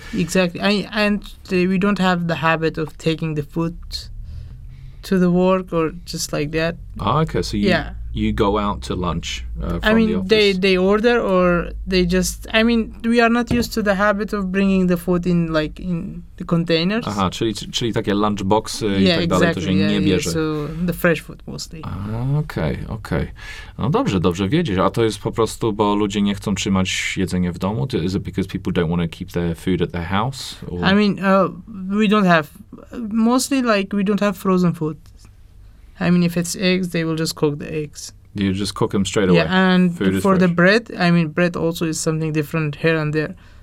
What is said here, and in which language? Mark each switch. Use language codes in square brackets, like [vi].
[en] Exactly. We don't have the habit of taking the food to the work or just like that. Ah, okay. So you go out to lunch from I mean, the office? They order or they just... I mean, we are not used to the habit of bringing the food in, like, in the containers. [pl] Aha, czyli takie lunch box i tak [en] exactly, [pl] dalej, to się [en] yeah, [pl] nie bierze. [en] Yeah, so the fresh food mostly. [pl] Okej. No dobrze wiedzieć. A to jest po prostu, bo ludzie nie chcą trzymać jedzenie w domu? [en] Is it because people don't want to keep their food at their house? Or? I mean, we don't have... Mostly, like, we don't have frozen food. I mean, if it's eggs, they will just cook the eggs. You just cook them straight away? Yeah, and for the bread, I mean, bread also is something different here and there.